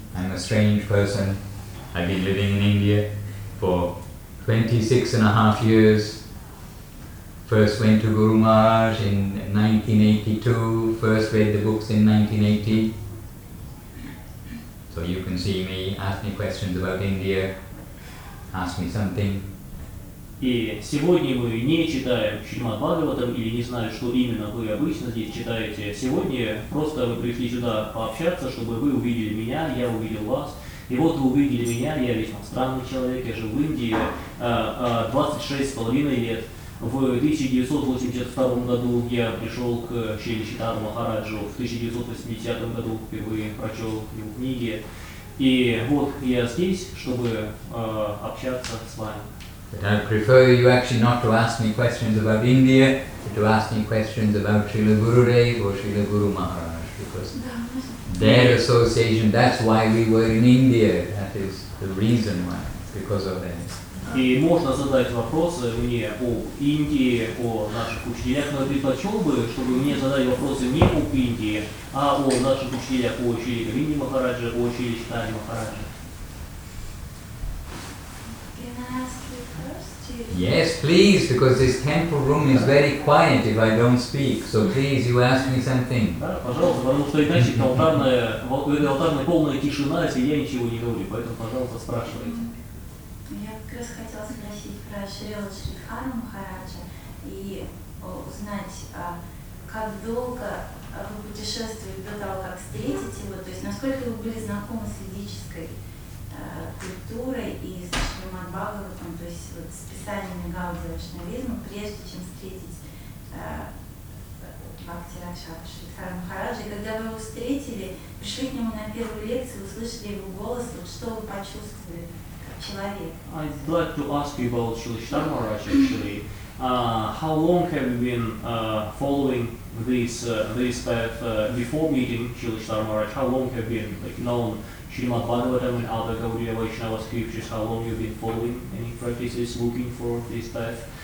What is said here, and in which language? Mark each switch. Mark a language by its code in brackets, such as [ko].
[en] I'm a strange person. I've been living in India for 26 and a half years. First went to Guru Maharaj in 1982, first read the books in 1980. So you can see me, ask me questions about India, ask me something. [ru] И сегодня мы не читаем Шримад Бхагаватам или не знаю, что именно вы обычно здесь читаете. Сегодня просто вы пришли сюда пообщаться, чтобы вы увидели меня, я увидел вас. И вот вы увидели меня, я весьма странный человек, я живу в Индии 26,5 лет. В 1982 году я пришел к Шри Читану Махараджу, в 1980 году впервые прочел его книги. И вот я здесь, чтобы общаться с вами. [en] But I prefer you actually not to ask me questions about India, but to ask me questions about Srila Gurudev or Srila Guru Maharaj, because their association, that's why we were in India, that is the reason why, because of them. [ru] И можно задать вопросы мне о Индии, о наших учителях, но я предпочел бы, чтобы мне задать вопросы не об Индии, а о наших учителях, о Шри Гавинде Махараджа, о Шри Читане Махараджа. [en] Can I ask you first? Yes, please, because this temple room is very quiet if I don't speak. So please, you ask me something. [ru] Да, пожалуйста, потому что иначе алтарная полная тишина, если я ничего не говорю, поэтому, пожалуйста, спрашивайте. Я просто хотела спросить про Шрила Шридхара Махараджа и узнать, как долго вы путешествовали до того, как встретить его, то есть насколько вы были знакомы с ведической культурой и с Шримад Бхагаватом, то есть вот, с писаниями Гауди Вайшнавизма, прежде чем встретить Бхакти Ракшапа Шридхара Махараджа. И когда вы его встретили, пришли к нему на первую лекцию, услышали его голос, вот, что вы почувствовали? [en] I'd like to ask you about Srila Chaitanya Maharaj actually. How long have you been following this path before meeting Srila Chaitanya Maharaj? How long have you been known Srimad Bhagavatam and other Gaudiya Vaishnava scriptures? How long have you been following any practices looking for this path?